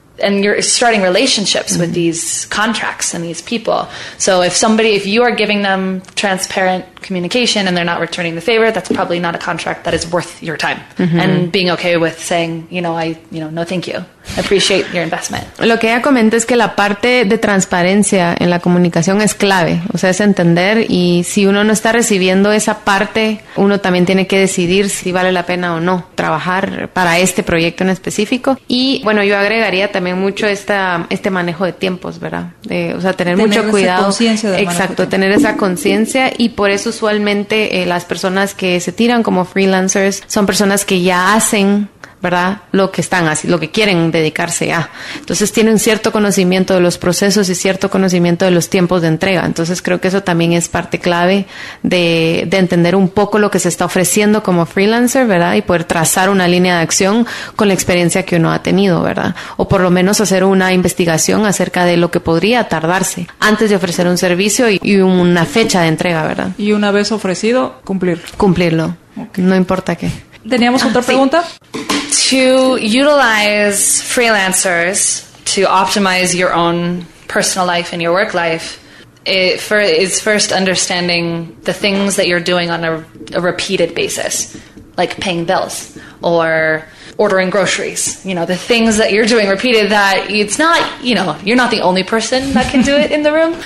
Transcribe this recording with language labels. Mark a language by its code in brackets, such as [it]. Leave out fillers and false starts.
[en] And you're starting relationships mm-hmm. with these contracts and these people. So if you are giving them transparent communication and they're not returning the favor, that's probably not a contract that is worth your time. Mm-hmm. And being okay with saying, you know, no, thank you. Appreciate your investment. [es] Lo que ella comenta es que la parte de transparencia en la comunicación es clave. O sea, es entender y si uno no está recibiendo esa parte, uno también tiene que decidir si vale la pena o no trabajar para este proyecto en específico. Y bueno, yo agregaría también mucho este manejo de tiempos, ¿verdad? Tener mucho cuidado. Tener esa conciencia del manejo. Exacto, tener esa conciencia. Y por eso usualmente las personas que se tiran como freelancers son personas que ya hacen... ¿verdad? Lo que están así, lo que quieren dedicarse a. Entonces tienen cierto conocimiento de los procesos y cierto conocimiento de los tiempos de entrega. Entonces creo que eso también es parte clave de entender un poco lo que se está ofreciendo como freelancer, ¿verdad? Y poder trazar una línea de acción con la experiencia que uno ha tenido, ¿verdad? O por lo menos hacer una investigación acerca de lo que podría tardarse antes de ofrecer un servicio y una fecha de entrega, ¿verdad? Y una vez ofrecido, cumplirlo. Okay. No importa qué. ¿Teníamos otra pregunta? [en] To utilize freelancers to optimize your own personal life and your work life, it's first understanding the things that you're doing on a repeated basis, like paying bills or ordering groceries, you know, the things that you're doing repeated that it's not, you know, you're not the only person that can do it in the room.